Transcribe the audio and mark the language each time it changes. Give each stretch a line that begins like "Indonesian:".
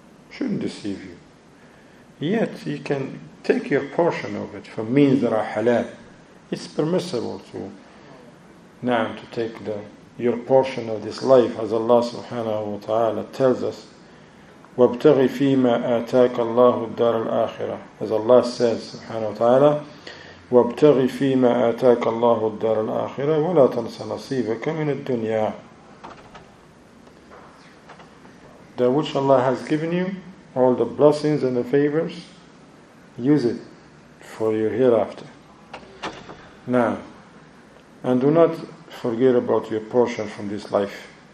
English: Shouldn't deceive you. Yet you can take your portion of it from means that are halal. It's permissible to now to take the your portion of this life, as Allah subhanahu wa ta'ala tells us,
Arabic: وَابْتَغِ فِي مَا آتَاكَ اللَّهُ الدَّارَ الْآخِرَةِ.
English: As Allah says
Arabic: subhanahu wa ta'ala, وَابْتَغِ فِي مَا آتَاكَ اللَّهُ الدَّارَ الْآخِرَةِ وَلَا تَنْسَ نَصِيبَكَ مِنَ الدُّنْيَا.
English: That which Allah has given you, all the blessings and the favors, use it for your hereafter. Now, and do not forget about your portion from this life.